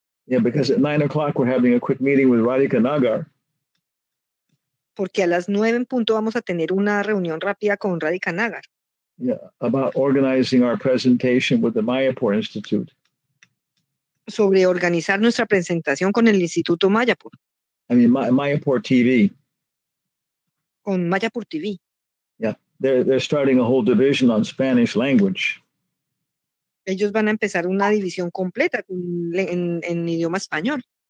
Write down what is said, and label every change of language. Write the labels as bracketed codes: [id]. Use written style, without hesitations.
[en] Yeah, because at 9 o'clock we're having a quick meeting with Radhika Nagar. [es] Porque a las 9 en punto vamos a tener una reunión rápida con Radhika Nagar. [en] Yeah, about organizing our presentation with the Mayapur Institute. [es] Sobre organizar nuestra presentación con el Instituto Mayapur. [en] I mean, Mayapur TV. [es] Con Mayapur TV. [en] Yeah, they're starting a whole division on Spanish language. [es] Ellos van a empezar una división completa en idioma español.